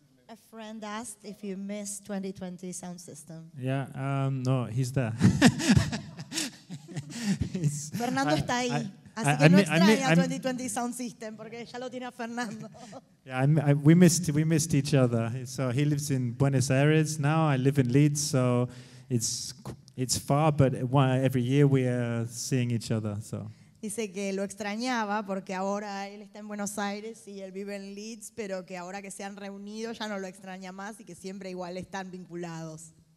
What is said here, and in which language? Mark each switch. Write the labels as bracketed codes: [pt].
[en] A friend asked if you miss 2020 Sound System. Yeah, no, he's there. [es] Fernando está ahí. Así que no extraña 2020 Sound System porque ya lo tiene a Fernando. [en] Yeah, we missed each other. So he lives in Buenos Aires now. I live in Leeds, so it's far, but every year we are seeing each other. So. [es] Dice que lo extrañaba porque ahora él está en Buenos Aires y él vive en Leeds, pero que ahora que se han reunido ya no lo extraña más y que siempre igual están vinculados.